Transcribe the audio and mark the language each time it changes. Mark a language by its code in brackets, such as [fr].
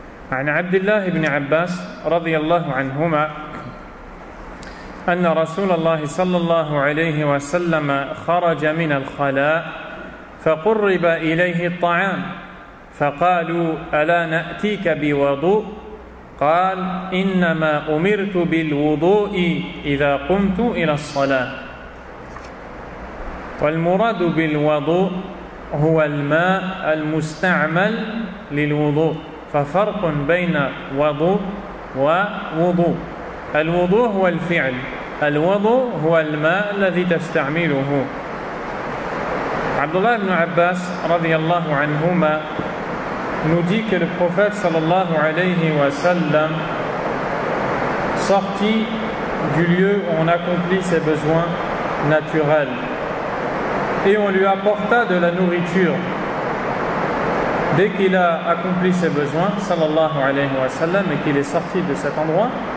[ar] An Abdullah ibn Abbas, radiyallahu anhuma, anna Rasulallah sallallahu alayhi wa sallam kharaja min al-khala' فقرب إليه الطعام فقالوا ألا نأتيك بوضوء قال إنما أمرت بالوضوء إذا قمت إلى الصلاة. والمراد بالوضوء هو الماء المستعمل للوضوء ففرق بين وضوء ووضوء. الوضوء هو الفعل، الوضوء هو الماء الذي تستعمله. [fr] Abdullah ibn Abbas radiyallahu anhuma nous dit que le prophète sallallahu alayhi wa sallam sortit du lieu où on accomplit ses besoins naturels et on lui apporta de la nourriture dès qu'il a accompli ses besoins sallallahu alayhi wa sallam et qu'il est sorti de cet endroit.